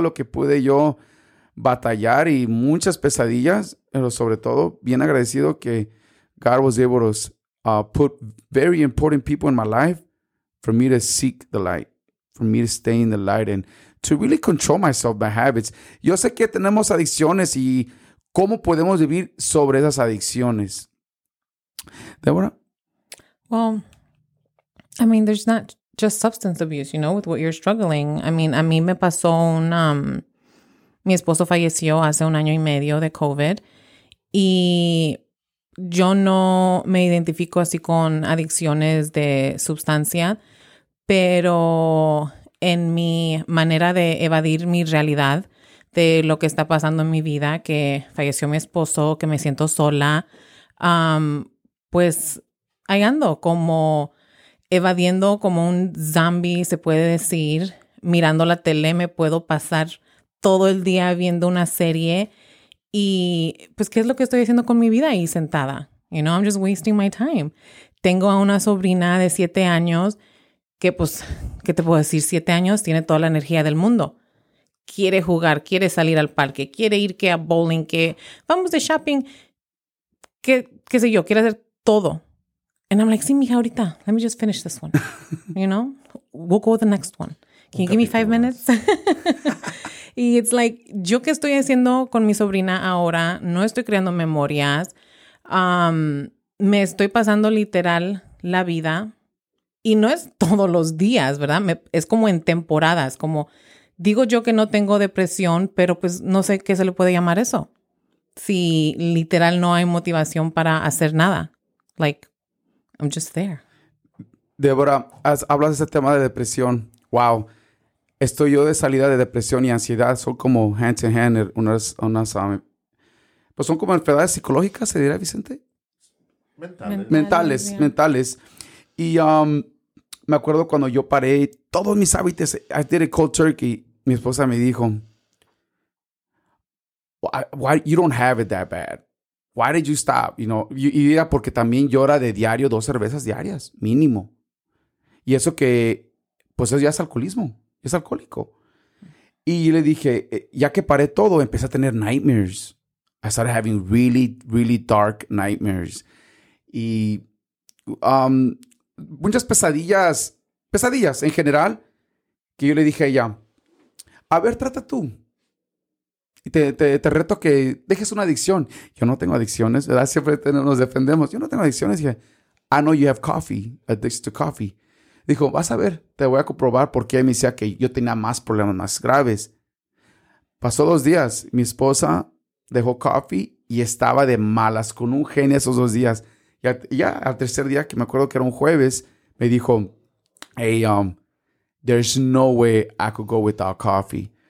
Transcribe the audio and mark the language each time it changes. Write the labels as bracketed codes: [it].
[es] Lo que pude yo batallar y muchas pesadillas, pero sobre todo bien agradecido que [en] God was able to put very important people in my life for me to seek the light, for me to stay in the light and to really control myself, my habits. [es] Yo sé que tenemos adicciones y cómo podemos vivir sobre esas adicciones. Débora? [en] Well, I mean, there's not just substance abuse, you know, with what you're struggling. I mean, [es] a mí me pasó un... Mi esposo falleció hace un año y medio de COVID y yo no me identifico así con adicciones de sustancia, pero en mi manera de evadir mi realidad de lo que está pasando en mi vida, que falleció mi esposo, que me siento sola, pues ahí ando como evadiendo como un zombie, se puede decir, mirando la tele me puedo pasar todo el día viendo una serie y pues qué es lo que estoy haciendo con mi vida ahí sentada. [en] You know, I'm just wasting my time. [es] Tengo a una sobrina de 7 años que pues, ¿qué te puedo decir? 7 años tiene toda la energía del mundo. Quiere jugar, quiere salir al parque, quiere ir que a bowling, que vamos de shopping, que qué sé yo, quiere hacer todo. [en] And I'm like, [es] sí, mija, ahorita, [en] let me just finish this one. You know, we'll go with the next one. Can you give me 5 minutes? [es] Y [en] it's like, [es] ¿yo qué estoy haciendo con mi sobrina ahora? No estoy creando memorias. Me estoy pasando literal la vida. Y no es todos los días, ¿verdad? Es como en temporadas. Como digo yo que no tengo depresión, pero pues no sé qué se le puede llamar eso. Si literal no hay motivación para hacer nada. [en] Like, I'm just there. [es] Débora, hablas de ese tema de depresión. Wow. Estoy yo de salida de depresión y ansiedad. Son como [en] hand in hand. [es] Pues son como enfermedades psicológicas, ¿se dirá, Vicente? Mentales. Y me acuerdo cuando yo paré todos mis hábitos. [en] I did a cold turkey. [es] Mi esposa me dijo, [en] why you don't have it that bad? Why did you stop? You know, [es] y diga, porque también yo era de diario 2 cervezas diarias, mínimo. Y eso que, pues eso ya es alcoholismo. Es alcohólico. Y yo le dije, ya que paré todo, empecé a tener nightmares. [en] I started having really, really dark nightmares. [es] Y muchas pesadillas en general, que yo le dije a ella, a ver, trata tú. Y te reto que dejes una adicción. Yo no tengo adicciones, ¿verdad? Siempre nos defendemos. Yo no tengo adicciones. Y dije, [en] I know you have coffee, addicted to coffee. [es] Dijo, vas a ver, te voy a comprobar por qué me decía que yo tenía más problemas más graves. Pasó 2 días. Mi esposa dejó coffee y estaba de malas con un genio esos 2 días. Y ya al tercer día, que me acuerdo que era un jueves, me dijo, [en] hey, there's no way I could go without coffee.